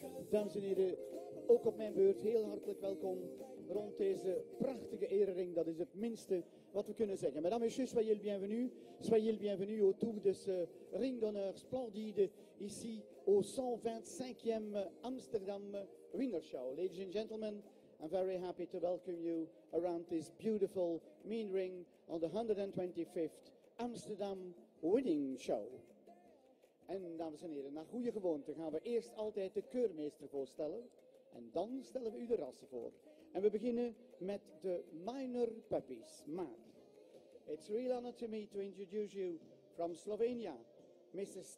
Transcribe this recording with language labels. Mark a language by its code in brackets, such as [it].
[nl] Dames en heren, ook op mijn beurt heel hartelijk welkom rond deze prachtige erering. Dat is het minste wat we kunnen zeggen. [fr] Mesdames, messieurs, soyez le bienvenu autour de ce ring d'honneur splendide ici au 125e Amsterdam Winner Show. [en] Ladies and gentlemen, I'm very happy to welcome you around this beautiful main ring on the 125th Amsterdam Winning Show. [nl] En dames en heren, naar goede gewoonte gaan we eerst altijd de keurmeester voorstellen. En dan stellen we u de rassen voor. En we beginnen met de minor puppies. Maar, [en] it's a real honor to me to introduce you from Slovenia, Mrs.